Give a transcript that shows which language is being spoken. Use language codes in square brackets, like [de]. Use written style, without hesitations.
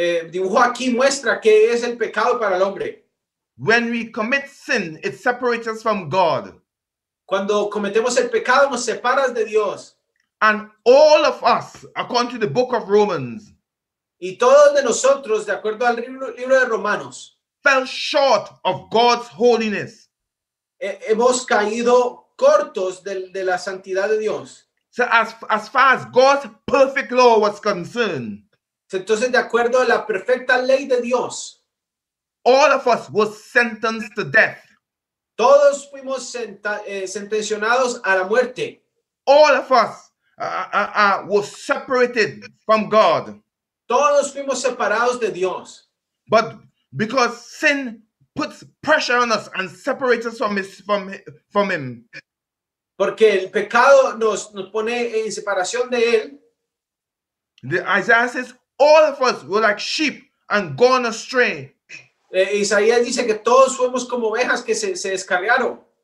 [es] Dibujo aquí muestra que es el pecado para el hombre. [en] When we commit sin, it separates us from God. [es] Cuando cometemos el pecado, nos separas de Dios. [en] And all of us, according to the book of Romans, [es] y todos de nosotros, de acuerdo al libro de Romanos, [en] fell short of God's holiness. [es] Hemos caído cortos de la santidad de Dios. [en] So as far as God's perfect law was concerned, [es] entonces, de acuerdo a la perfecta ley de Dios, [en] all of us were sentenced to death. [es] Todos fuimos sentenciados a la muerte. [en] All of us were separated from God. [es] Todos fuimos separados de Dios. [en] But because sin puts pressure on us and separates us from him. [es] Porque el pecado nos pone en separación de él. [en] The Isaiah says, all of us were like sheep and gone astray. [es] Isaías dice que todos fuimos como ovejas que se descarriaron.